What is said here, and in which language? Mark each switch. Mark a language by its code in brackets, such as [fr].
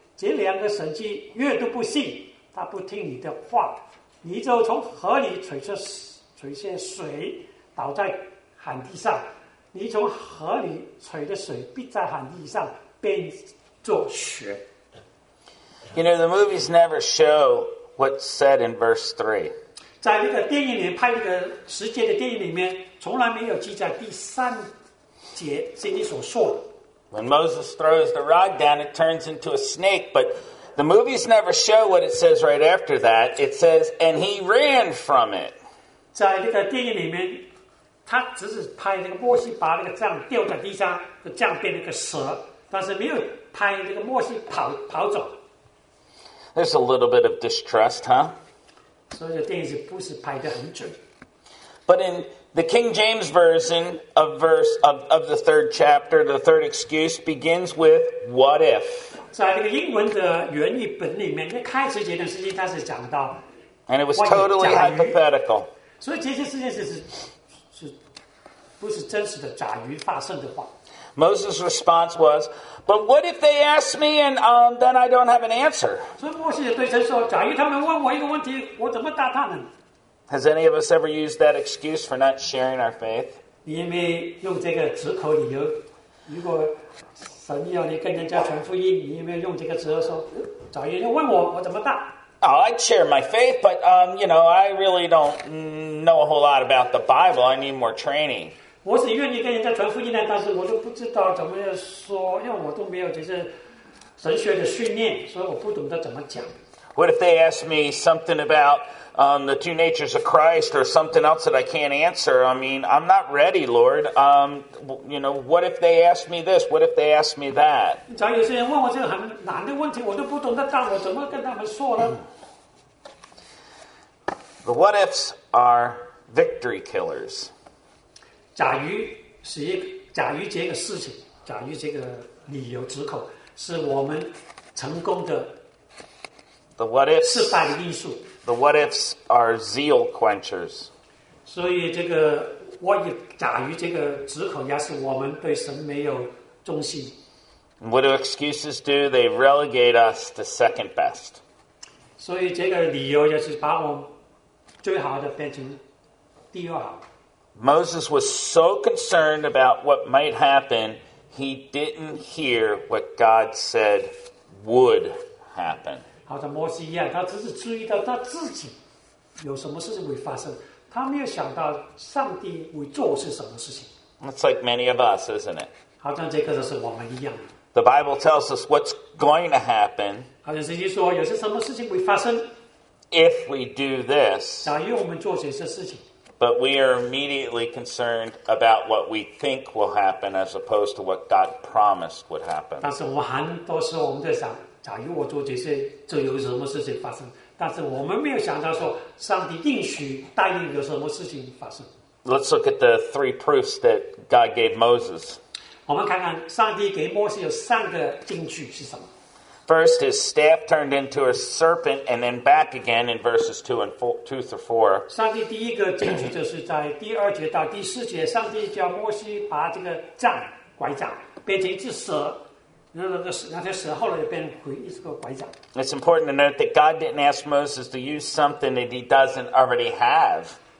[zh] 这两个神迹越都不信，他不听你的话，你就从河里取些水倒在旱地上，你从河里取的水必在旱地上变作血。” [en] You know, the movies never show what's said in verse 3. [zh] 在那个电影里拍那个时间的电影里面，从来没有记载第三节圣经所说的。 [en] When Moses throws the rod down, it turns into a snake. But the movies never show what it says right after that. It says, "And he ran from it." [zh] 在那个电影里面，他只是拍那个摩西把那个杖掉在地上，那杖变成个蛇，但是没有拍那个摩西跑走。 [en] There's a little bit of distrust, huh? So the [zh] 电影是不是拍得很准？ [en] But in the King James version of the third chapter, the third excuse begins with "What if?" [zh] 在这个英文的原译本里面，一开始这件事情它是讲到， [en] and it was totally hypothetical. [zh] 所以这些事情是不是真实的？假如发生的话。 [en] Moses' response was, "But what if they ask me and then I don't have an answer?" So [zh] Moses 对神说：“假如他们问我一个问题，我怎么答他们？” [en] Has any of us ever used that excuse for not sharing our faith? [zh] 你有没有用这个借口理由？如果神要你跟人家传福音，你有没有用这个借口说：“假如要问我，我怎么答？” [en] Oh, I'd share my faith, but you know, I really don't know a whole lot about the Bible. I need more training. [zh] 我是愿意跟人家传福音的，但是我都不知道怎么说，因为我都没有这些神学的训练，所以我不懂得怎么讲。 [en] What if they ask me something about the two natures of Christ or something else that I can't answer? I mean, I'm not ready, Lord. You know, what if they ask me this? What if they ask me that? [zh] 假如有些人问我这个很难的问题，我都不懂得答，我怎么跟他们说呢？ [en] The what ifs are victory killers. [zh] 假如这个事情，假如这个理由之口，是我们成功的失败的因素。 [en] The what ifs are zeal quenchers. [zh] 所以这个假如这个之口，也是我们对神没有忠心。 [en] What do excuses do? They relegate us to second best. [zh] 所以这个理由也是把我们最好的变成第二好。 [en] Moses was so concerned about what might happen, he didn't hear what God said would happen. [zh] 好像摩西一样，他只是注意到他自己有什么事情会发生，他没有想到上帝会做是什么事情。 [en] That's like many of us, isn't it? [zh] 好像这个就是我们一样。 [en] The Bible tells us what's going to happen. [zh] 好像圣经说有些什么事情会发生。 [en] If we do this. [zh] 假如我们做这些事情。 [en] But we are immediately concerned about what we think will happen as opposed to what God promised would happen. [zh] 但是我很多时候我们在想，假如我做这些，就有什么事情发生。但是我们没有想到说，上帝应许答应有什么事情发生。 [en] Let's look at the three proofs that God gave Moses. [zh] 我们看看上帝给摩西有三个证据是什么。 [en] First, his staff turned into a serpent and then back again in verses 2 through 4. [zh] 上帝第一个证据就是在第二节到第四节，上帝叫摩西把这个杖拐杖变成一只蛇。 [en] It's important to note that God didn't ask Moses to use something that he doesn't already have.